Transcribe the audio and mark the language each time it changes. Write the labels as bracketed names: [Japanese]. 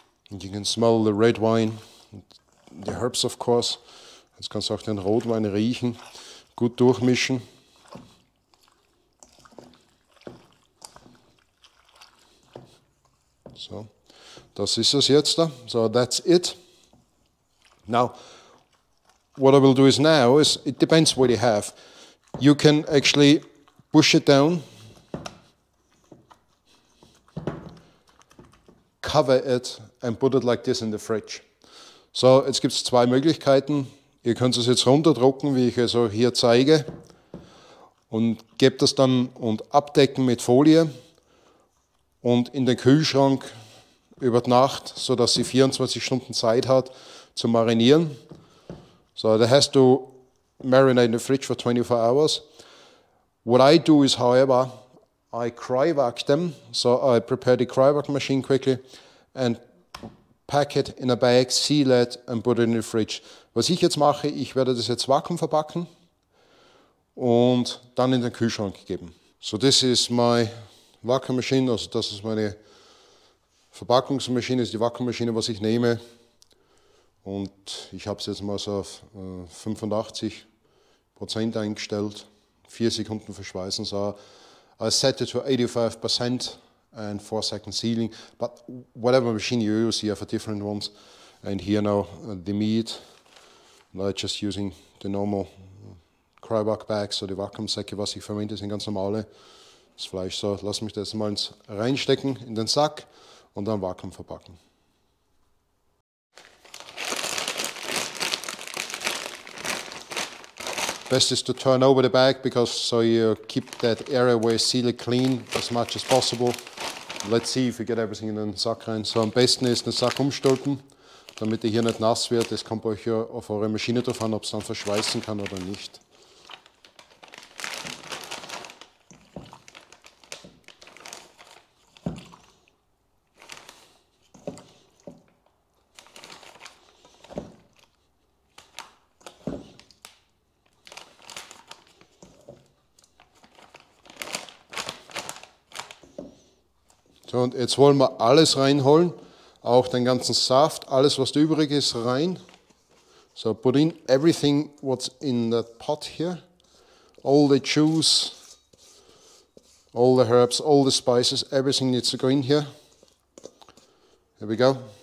[English] And you can smell the red wine, the herbs of course. [German] Jetzt kannst du auch den Rotwein riechen, gut durchmischen. So, Das ist es jetzt da. So, [English] that's it. Now, what I will do is now, is it depends what you have. You can actually push it down, cover it and put it like this in the fridge. [German] So, jetzt gibt es zwei Möglichkeiten. Ihr könnt es jetzt runterdrucken, wie ich es hier zeige, und gebt das dann und abdecken mit Folie und in den Kühlschrank über Nacht, sodass sie 24 Stunden Zeit hat zu marinieren. [English] So, that has to marinate in the fridge for 24 hours. What I do is, however, I cryovac them. So I prepare the cryovac machine quickly and pack it in a bag, seal it and put it in the fridge. [German] Was ich jetzt mache, ich werde das jetzt vakuum verpacken und dann in den Kühlschrank geben. [English] So this is my vacuum machine, [German] also das ist meine Verpackungsmaschine, ist die Vakuummaschine, was ich nehme. Und ich habe es jetzt mal so auf 85% eingestellt, 4 Sekunden verschweißen. [English] So I set it to 85% and 4 seconds sealing. But whatever machine you use, you have a different ones. And here now the meat. Now I'm just using the normal cryovac bag, so the vacuum [German] Säcke, was ich verwende, sind ganz normale. Das Fleisch, so lass mich das mal ins reinstecken in den Sack und dann vacuum verpacken. [English] Best is to turn over the bag, because so you keep that area where you seal it clean as much as possible. Let's see if we get everything in the sack rein. [German] So am besten ist den Sack umstülpen, damit er hier nicht nass wird. Das kommt euch ja auf eure Maschine drauf an, ob es dann verschweißen kann oder nicht. So, und jetzt wollen wir alles reinholen, auch den ganzen Saft, alles was übrig ist, rein. [English] So, put in everything what's in that pot here. All the juice, all the herbs, all the spices, everything needs to go in here. Here we go.